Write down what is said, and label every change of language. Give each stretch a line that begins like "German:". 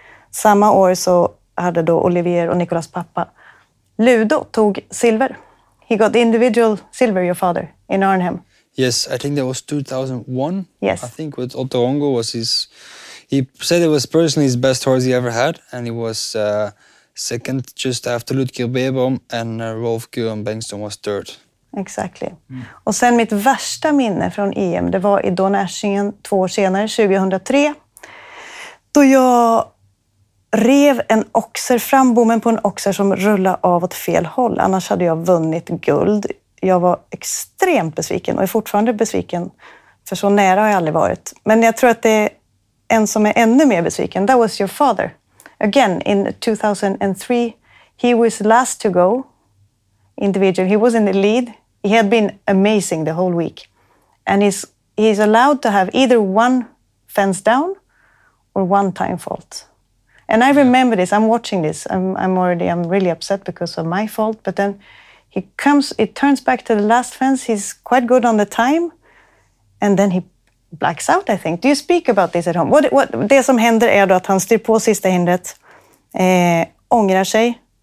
Swedish: Samma år så hade då Olivier och Nicolas pappa. Ludo tog silver.
English: He got the individual silver, your father, in Arnhem. Yes, I think that was 2001. Yes. I think with Otto Ongo was his... He said it was personally his best horse he ever had. And he was second just after Ludger Beerbohm and Rolf Guren Bengtsson was third. Exactly. Mm.
Swedish: Och sen mitt värsta minne från EM, det var i Donashingen 2 år senare, 2003. Då jag rev en oxer, frambommen på en oxer som rullade av åt fel håll. Annars hade jag vunnit guld. Jag var extremt besviken och är fortfarande besviken. För så nära har jag aldrig varit. Men jag tror att det är en som är ännu mer besviken.
English: That was your father. Again, in 2003, he was last to go. Individual, he was in the lead. He had been amazing the whole week. And he's allowed to have either one fence down or one time fault. And I remember this, I'm watching this, I'm really upset because of my fault, but then it turns back to the last fence, he's quite good on the time, and then he blacks out, I think. Do you speak about this at home?
Swedish: What det som händer är då att han styr på sista hindret, ångrar sig,